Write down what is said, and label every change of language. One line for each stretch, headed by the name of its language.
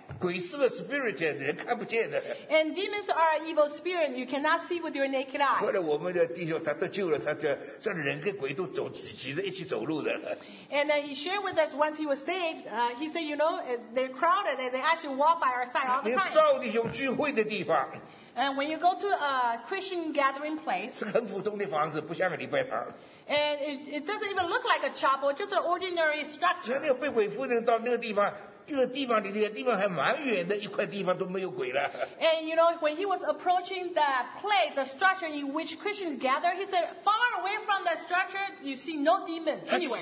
Chinese: 鬼是个 spirit， 人看不见的。
English: And demons are an evil spirit. You cannot see with your naked eyes.
Chinese: 后来我们的弟兄他得救了，他这人跟鬼都走，挤着一起走路的。
English: And he shared with us once he was saved. He said, you know, they're crowded and they actually walk by our side all the time.
Chinese: 你少弟兄聚会的地方。
English: And when you go to a Christian gathering place,
Chinese: 是很普通的房子，不像个礼拜堂。
English: And it doesn't even look like a chapel, just an ordinary structure.
Chinese: 那被鬼附的到那个地方，这个地方离那个地方还蛮远的，一块地方都没有鬼了。
English: And you know, when he was approaching the place, the structure in which Christians gather, he said, far away from that structure, you see no demon anywhere.